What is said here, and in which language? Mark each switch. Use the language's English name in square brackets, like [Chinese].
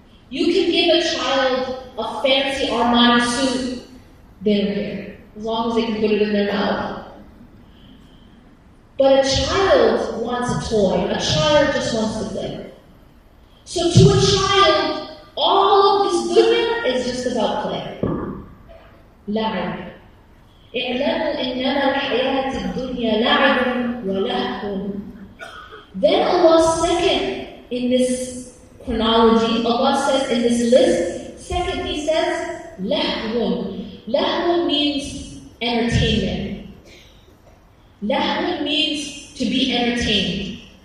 [English] You can give a child a fancy Armani suit, then here, as long as they can put it in their mouth. But a child wants a toy. A child just wants to play. So to a child, all of this goodness is just about play. [Arabic] لعب. اعلموا إنما الحياة الدنيا لعب ولهو. [English] Then Allah second in this chronology, Allah says in this list, second He says, لهو. لهو means entertainment. لهو means to be entertained.